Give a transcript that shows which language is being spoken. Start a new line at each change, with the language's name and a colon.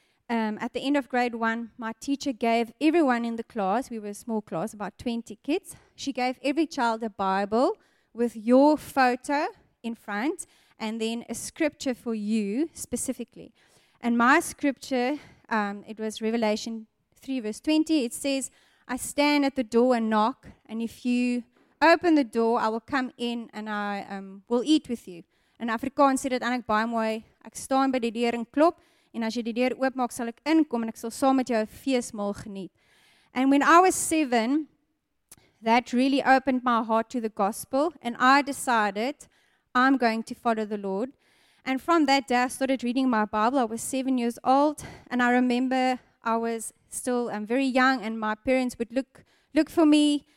English: At the end of grade one, my teacher gave everyone in the class, we were a small class, about 20 kids, she gave every child a Bible with your photo in front and then a scripture for you specifically. And my scripture, it was Revelation 3 verse 20, it says, I stand at the door and knock, and if you open the door, I will come in and I will eat with you.
Afrikaans: In Afrikaans sê dit eintlik baie mooi, ek staan by die deur en klop, en as jy die deur oopmaak, sal ek inkom en ek sal saam met jou 'n feesmaal geniet.
English: And when I was 7, that really opened my heart to the gospel, and I decided I'm going to follow the Lord. And from that day, I started reading my Bible. I was 7 years old, and I remember I was still very young, and my parents would look for me.